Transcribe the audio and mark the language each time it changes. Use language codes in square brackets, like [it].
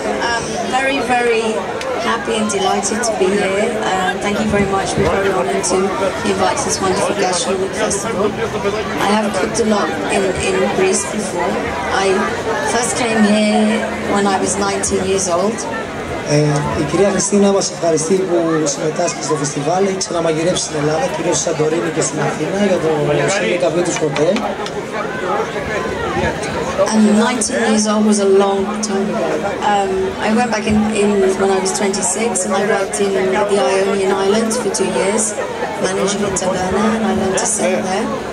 [en] I'm very, very happy and delighted to be here. Thank you very much. We're very honored to invite this wonderful Gastronomic Festival. I have cooked a lot in Greece before. I first came here when I was 19 years old. [el] Η κυρία Χριστίνα μας ευχαριστεί που συμμετάσχει στο φεστιβάλ. Έχει ξαναμαγειρέψει στην Ελλάδα, κυρίως στη Σαντορίνη και στην Αθήνα, για το συνεργείο του Σκοτέ. [en] And 19 years old was a long time ago. I went back in when I was 26 and I worked in the Ionian Islands for 2 years, managing a taverna, and I learned to sail there.